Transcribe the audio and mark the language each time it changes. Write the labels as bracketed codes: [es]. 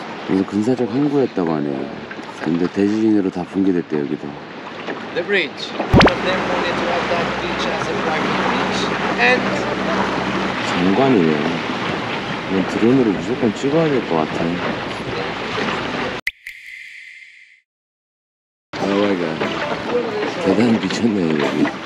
[ko] 여기 근사적 항구였다고 하네요. 근데 대지진으로 다 붕괴됐대 여기도. [en] The bridge. One of them wanted to have that beach as a private beach. And [ko] 장관이네. 이건 드론으로 무조건 찍어야 될 것 같아. [en] Oh my god. [ko] 대단히 미쳤네요 여기.